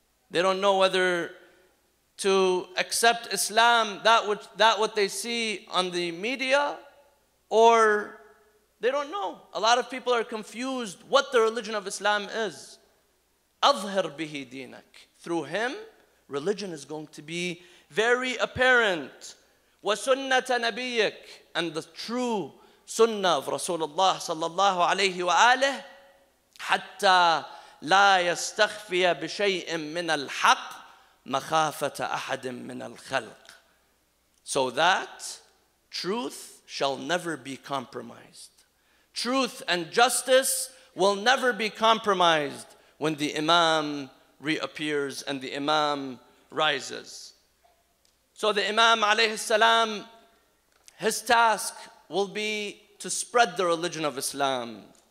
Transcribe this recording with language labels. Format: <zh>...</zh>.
<en>They don't know whether to accept Islam, that what they see on the media, or they don't know. A lot of people are confused what the religion of Islam is.</en> <ar>أَظْهِرْ بِهِ دِينَكَ.</ar> <en>Through him, religion is going to be very apparent.</en> <ar>وَسُنَّةَ نَبِيِّكَ,</ar> <en>and the true sunnah of Rasulullah sallallahu alayhi wa alayhi,</en> <ar>حَتَّى لَا يَسْتَخْفِيَ بِشَيْءٍ مِّنَ الْحَقِّ مَخَافَةَ أَحَدٍ مِّنَ الْخَلْقِ.</ar> <en>So that truth shall never be compromised. Truth and justice will never be compromised when the imam reappears and the imam rises. So the imam alayhi salam, his task will be to spread the religion of Islam.</en>